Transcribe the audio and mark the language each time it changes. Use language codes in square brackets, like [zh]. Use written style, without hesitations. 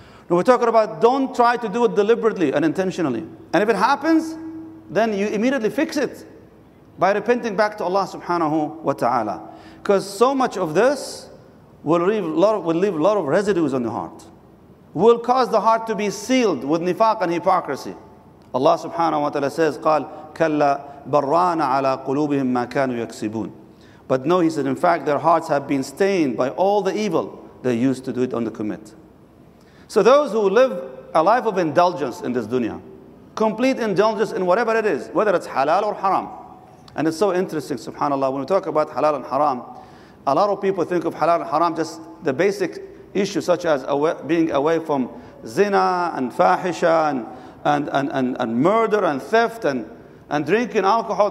[en] No, we're talking about don't try to do it deliberately and intentionally. And if it happens, then you immediately fix it by repenting back to Allah subhanahu wa ta'ala. Because so much of this will leave a lot of residues on the heart. Will cause the heart to be sealed with nifaq and hypocrisy. Allah subhanahu wa ta'ala says, [ar] قال كلا بران على قلوبهم ما كانوا يكسبون. [en] But no, he said, in fact, their hearts have been stained by all the evil they used to do it on the commit. So those who live a life of indulgence in this dunya, complete indulgence in whatever it is, whether it's halal or haram. And it's so interesting, subhanAllah, when we talk about halal and haram, a lot of people think of halal and haram just the basic issue, such as being away from zina and fahisha and murder and theft and drinking alcohol.